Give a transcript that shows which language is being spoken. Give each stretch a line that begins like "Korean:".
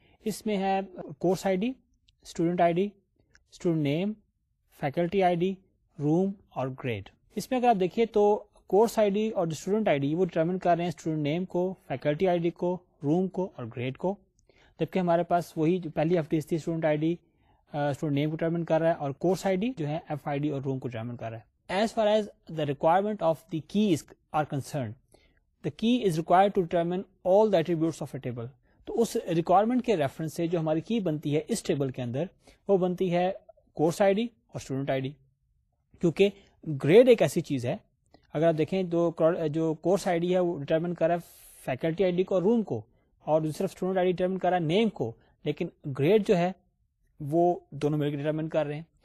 Urdu: اس میں ہے course I D, student I D, student name, faculty I D, روم اور grade. اس میں اگر آپ دیکھیے تو کورس آئی ڈی اور اسٹوڈنٹ آئی ڈی وہ ڈیٹرمن کر رہے ہیں اسٹوڈنٹ نیم کو، فیکلٹی آئی ڈی کو، روم کو اور گریڈ کو، جبکہ ہمارے پاس وہی جو پہلی ایف ڈیز تھی student I D student name کو ڈیٹرمن کر رہا ہے، اور کورس آئی ڈی جو ہے ایف آئی ڈی اور روم کو ڈیٹرمن کر رہا ہے.
English: As far as the requirement of the keys are concern, the key is required to determine all the attributes of a table.
Urdu: تو اس ریکوائرمنٹ کے ریفرنس سے جو ہماری کی بنتی ہے اس ٹیبل کے اندر وہ بنتی ہے کورس آئی ڈی اور اسٹوڈنٹ آئی ڈی، کیونکہ گریڈ ایک ایسی چیز ہے. اگر آپ دیکھیں تو جو کورس آئی ڈی ہے وہ ڈیٹرمن کر رہا ہے فیکلٹی آئی ڈی کو اور روم کو، اور دوسرا اسٹوڈنٹ آئی ڈی ڈیٹرمن کر رہا ہے نیم کو، لیکن گریڈ جو ہے وہ دونوں مل کے ڈیٹرمن کر رہے ہیں.